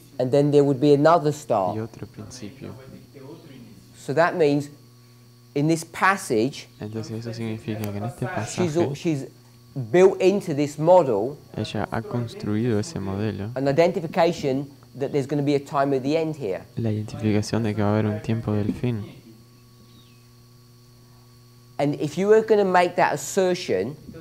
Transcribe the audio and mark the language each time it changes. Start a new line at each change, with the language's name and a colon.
English: And then there would be another start.
Spanish: Y otro principio.
English: So that means, in this passage,
Spanish: entonces eso significa que en este pasaje,
English: she's built into this model,
Spanish: ella ha construido ese modelo,
English: an identification that there's going to be a time of the end here.
Spanish: La identificación de que va a haber un tiempo del fin.
English: And if you were going to make that assertion,